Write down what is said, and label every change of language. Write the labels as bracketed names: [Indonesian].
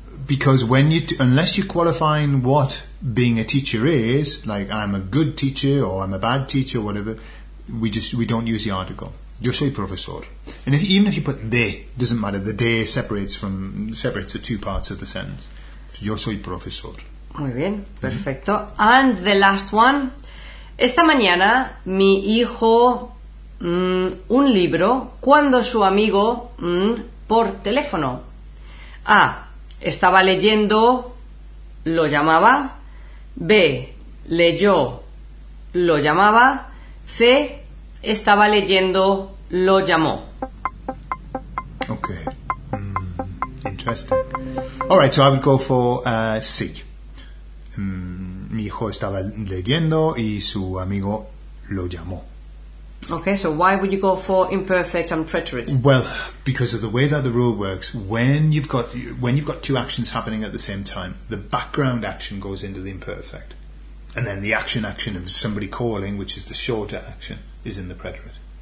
[English] Because when you unless you're qualifying what being a teacher is, like I'm a good teacher or I'm a bad teacher, whatever, we don't use the article. [Spanish] Yo soy profesor. [English] And even if you put de, doesn't matter, the de separates the two parts of the sentence. [Spanish] Yo soy profesor. Muy bien, perfecto. [English] Mm-hmm. And the last one. [Spanish] Esta mañana mi hijo un libro cuando su amigo por teléfono. A. Estaba leyendo, lo llamaba. B. Leyó, lo llamaba. C. Estaba leyendo, lo llamó. [English] Okay. Interesting. All right, so I would go for C. [Spanish] Mi hijo estaba leyendo y su amigo lo llamó. [English] Okay, so why would you go for imperfect and preterite? Well, because of the way that the rule works, when you've got two actions happening at the same time, the background action goes into the imperfect. And then the action of somebody calling, which is the shorter action, is in the preterite.